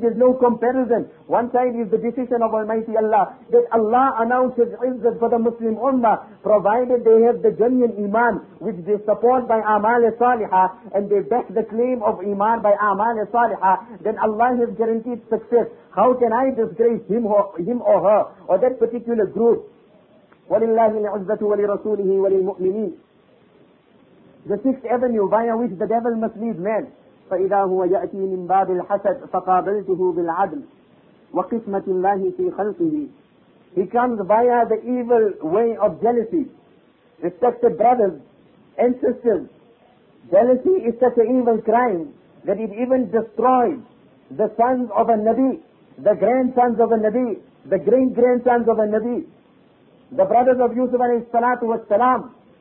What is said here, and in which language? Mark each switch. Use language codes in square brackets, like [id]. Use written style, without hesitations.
[en] There's no comparison. One side is the decision of Almighty Allah, that Allah announces izzat for the Muslim Ummah, provided they have the genuine iman, which they support by amal-e-salihah, and they back the claim of iman by amal-e-salihah, then Allah has guaranteed success. How can I disgrace him or her, or that particular group? [ar] وَلِلَّهِ الْعِزَّةُ وَلِرَسُولِهِ وَلِلْمُؤْمِنِينَ. [en] The sixth avenue via which the devil must lead man, [ar] فَإِذَا هُوَ يَأْتِي مِنْ بَابِ الْحَسَدْ فَقَابَلْتُهُ بِالْعَدْلِ وَقِسْمَةِ اللَّهِ فِي خَلْقِهِ. [en] He comes via the evil way of jealousy. Respected brothers and sisters, jealousy is such an evil crime that it even destroys the sons of a Nabi, the grandsons of a Nabi, the great-grandsons of a Nabi, the brothers of Yusuf alayhi salatu was salam.